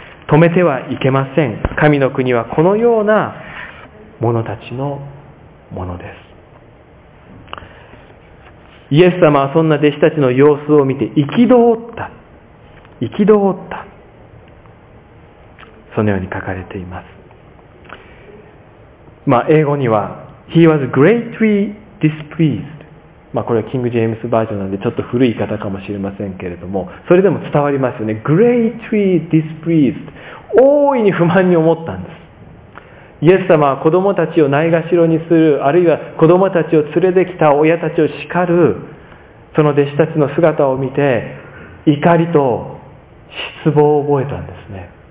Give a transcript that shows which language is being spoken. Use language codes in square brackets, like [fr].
[ja] 止めてはいけません。神の国はこのような者たちのものです。イエス様はそんな弟子たちの様子を見て憤った。憤った。そのように書かれています。まあ、英語には、 [en] He was greatly displeased。 [ja] まあ、これはキング・ジェームズバージョンなんでちょっと古い言い方かもしれませんけれども、それでも伝わりますよね。 [en] Greatly displeased、 [ja] 大いに不満に思ったんです。イエス様は子供たちをないがしろにする、あるいは子供たちを連れてきた親たちを叱る、その弟子たちの姿を見て怒りと失望を覚えたんですね。